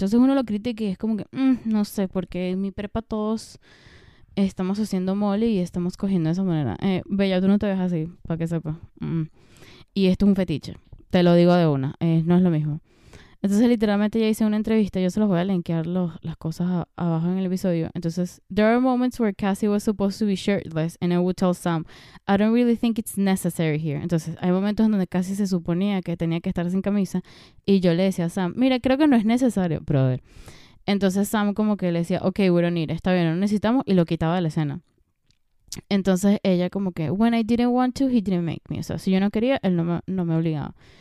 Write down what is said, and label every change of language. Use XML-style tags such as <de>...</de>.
<es>Entonces uno lo critica y es como que, no sé, porque en mi prepa todos estamos haciendo mole y estamos cogiendo de esa manera. Bella, tú no te ves así, para que sepa. Y esto es un fetiche, te lo digo de una, no es lo mismo. Entonces, literalmente, ya hice una entrevista. Yo se los voy a linkear las cosas abajo en el episodio.</es> <en>Entonces, there are moments where Cassie was supposed to be shirtless and I would tell Sam, I don't really think it's necessary here.</en> <es>Entonces, hay momentos en donde Cassie se suponía que tenía que estar sin camisa y yo le decía a Sam, mira, creo que no es necesario, brother. Entonces, Sam como que le decía,</es> <en>ok, we don't need it,</en> <es>está bien, no necesitamos, y lo quitaba de la escena. Entonces, ella como que,</es> <en>when I didn't want to, he didn't make me.</en> <es>O sea, si yo no quería, él no me obligaba.</es>